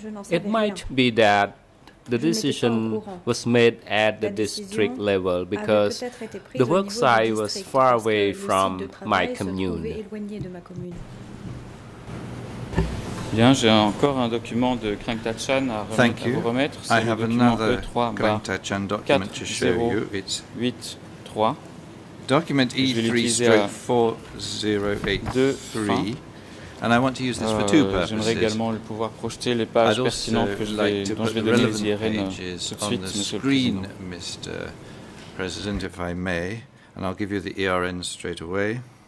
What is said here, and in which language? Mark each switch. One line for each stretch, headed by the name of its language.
English: It might be that the decision was made at the district level because the work site was far away from my commune.
French: Bien, j'ai encore un document de Krangtachan à vous remettre. C'est le document E3-4083.
English: Document E3-4083. And I want to use this for two purposes.
French: J'aimerais également le pouvoir projeter les pages pertinentes que dont je vais donner les IRN tout de suite, monsieur le président,
English: if I may, and I'll give you the ERN straight away.